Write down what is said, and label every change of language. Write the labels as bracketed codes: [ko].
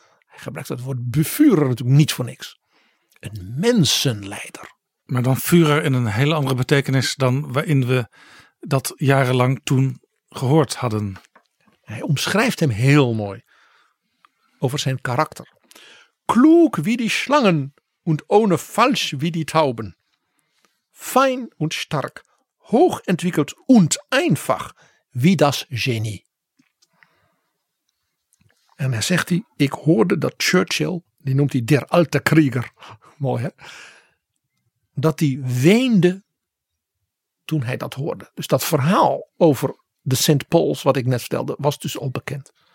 [nl] Hij gebruikt het woord beführer natuurlijk niet voor niks. Een mensenleider. Maar dan Führer in een hele andere betekenis dan waarin we dat jarenlang toen gehoord hadden. Hij omschrijft hem heel mooi over zijn karakter. [de] Klug wie die Schlangen und ohne falsch wie die Tauben. Fein und stark, hochentwickelt und einfach wie das Genie. [nl] En dan zegt hij, ik hoorde dat Churchill, die noemt hij [de] der alte Krieger, [nl] mooi hè, dat hij weende toen hij dat hoorde. Dus dat verhaal over de St. Paul's, wat ik net vertelde, was dus al bekend.